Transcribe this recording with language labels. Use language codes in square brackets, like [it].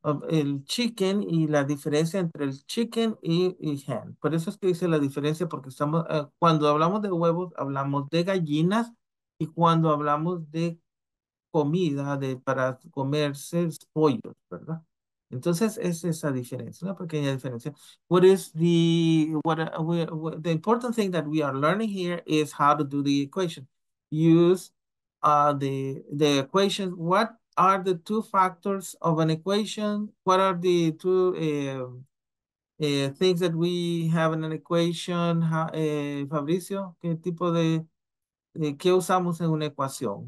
[es] El chicken y la diferencia entre el chicken y hen. Por eso es que dice la diferencia, porque estamos cuando hablamos de huevos, hablamos de gallinas, y cuando hablamos de comida, de para comerse pollos, ¿verdad? Entonces es esa diferencia, una pequeña diferencia. [en] What is the the important thing that we are learning here is how to do the equation. Use the equation. What are the two factors of an equation? What are the two things that we have in an equation? [es] Fabricio, ¿qué tipo de qué usamos en una ecuación?